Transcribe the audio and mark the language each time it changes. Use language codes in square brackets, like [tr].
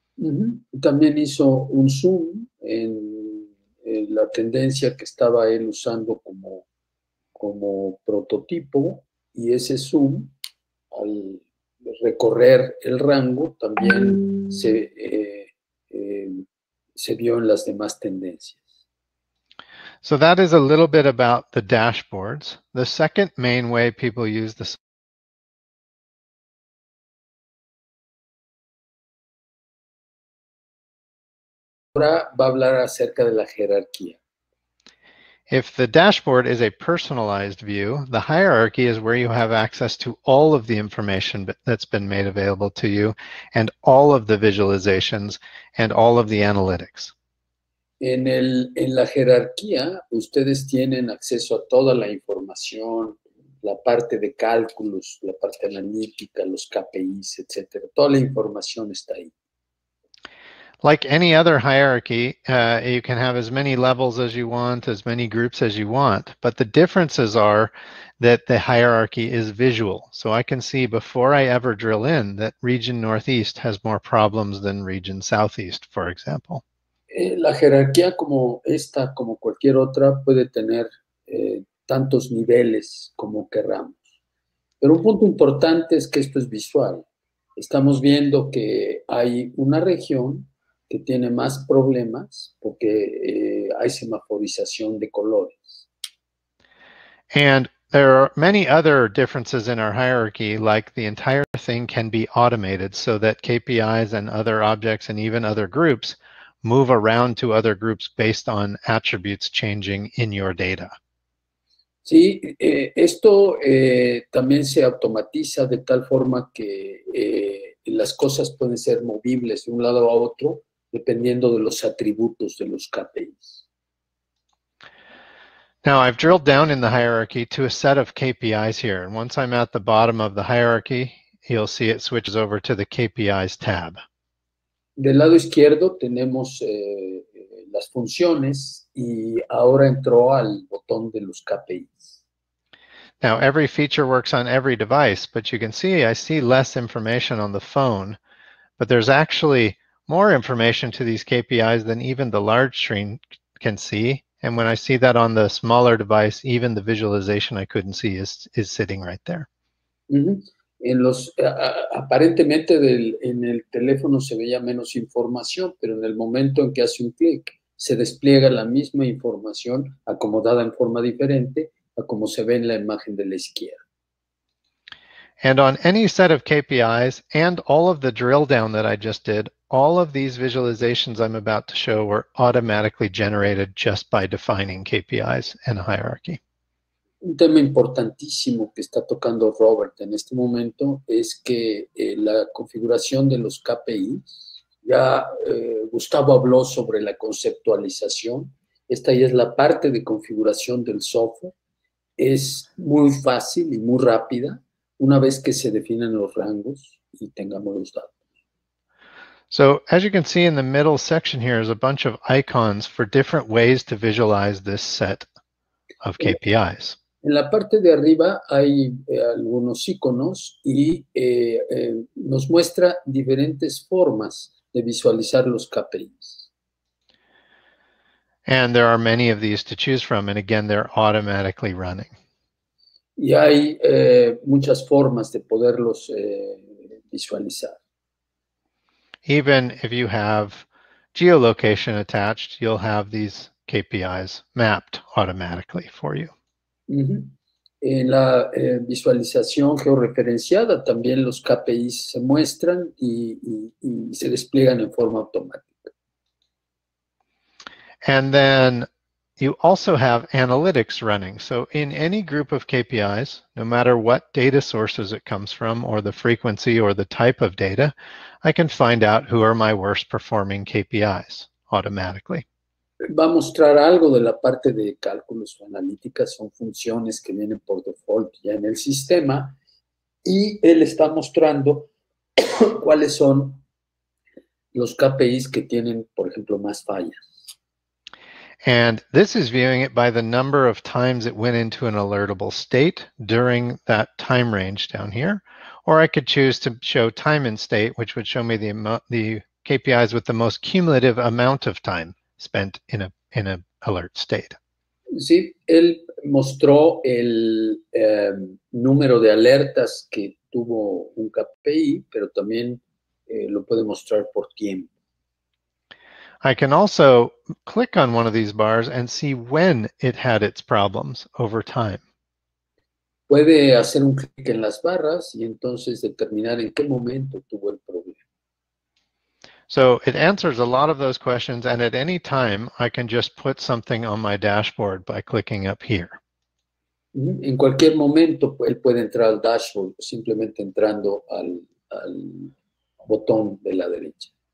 [es] Mm-hmm. También hizo un zoom en la tendencia que estaba él usando como como prototipo, y ese zoom, al recorrer el rango, también se vio en las demás tendencias. [en] So that is a little bit about the dashboards. The second main way people use the [es] Ahora va a hablar acerca de la jerarquía. [en] If the dashboard is a personalized view, the hierarchy is where you have access to all of the information that's been made available to you, and all of the visualizations, and all of the analytics. [es] En la jerarquía, ustedes tienen acceso a toda la información, la parte de cálculos, la parte analítica, los KPIs, etc. Toda la información está ahí. [en] Like any other hierarchy, you can have as many levels as you want, as many groups as you want, but the differences are that the hierarchy is visual. So I can see before I ever drill in that region northeast has more problems than region southeast, for example. [es] La jerarquía como esta, como cualquier otra, puede tener tantos niveles como queramos. Pero un punto importante es que esto es visual. Estamos viendo que hay una región que tiene más problemas porque hay semaforización de colores. [en] And there are many other differences in our hierarchy, like the entire thing can be automated so that KPIs and other objects and even other groups move around to other groups based on attributes changing in your data. [es] Sí, esto también se automatiza de tal forma que las cosas pueden ser movibles de un lado a otro, dependiendo de los atributos de los KPIs. [en] Now, I've drilled down in the hierarchy to a set of KPIs here. And once I'm at the bottom of the hierarchy, you'll see it switches over to the KPIs tab. [es] Del lado izquierdo tenemos las funciones y ahora entró al botón de los KPIs. [en] Now, every feature works on every device, but you can see I see less information on the phone, but there's actually more information to these KPIs than even the large screen can see. And when I see that on the smaller device, even the visualization I couldn't see is sitting right there. Mm-hmm. [es] En los, aparentemente del, en el teléfono se veía menos información, pero en el momento en que hace un clic, se despliega la misma información acomodada en forma diferente a como se ve en la imagen de la izquierda. [en] And on any set of KPIs and all of the drill down that I just did, all of these visualizations I'm about to show were automatically generated just by defining KPIs and hierarchy. [es] Un tema importantísimo que está tocando Robert en este momento es que la configuración de los KPIs, ya Gustavo habló sobre la conceptualización, esta ya es la parte de configuración del software, es muy fácil y muy rápida una vez que se definen los rangos y tengamos los datos. [en] So as you can see in the middle section here is a bunch of icons for different ways to visualize this set of KPIs. [es] En la parte de arriba hay algunos iconos y nos muestra diferentes formas de visualizar los KPIs. [en] And there are many of these to choose from, and again, they're automatically running. [es] Y hay muchas formas de poderlos visualizar. [en] Even if you have geolocation attached, you'll have these KPIs mapped automatically for you. Mm-hmm. [es] En la visualización georreferenciada, también los KPIs se muestran y se despliegan en forma automática. [en] And then you also have analytics running. So in any group of KPIs, no matter what data sources it comes from or the frequency or the type of data, I can find out who are my worst performing KPIs automatically. [es] Va a mostrar algo de la parte de cálculos o analíticas, son funciones que vienen por default ya en el sistema, y él está mostrando cuáles son los KPIs que tienen, por ejemplo, más fallas. [en] And this is viewing it by the number of times it went into an alertable state during that time range down here. Or I could choose to show time in state, which would show me the KPIs with the most cumulative amount of time spent in a alert state. [es] Sí, él mostró el número de alertas que tuvo un KPI, pero también lo puede mostrar por tiempo. [en] I can also click on one of these bars and see when it had its problems over time. [es] Puede hacer un clic en las barras y entonces determinar en qué momento tuvo el problema. [en] So it answers a lot of those questions, and at any time I can just put something on my dashboard by clicking up here. [es] En cualquier momento él puede entrar al dashboard simplemente entrando al botón de la derecha.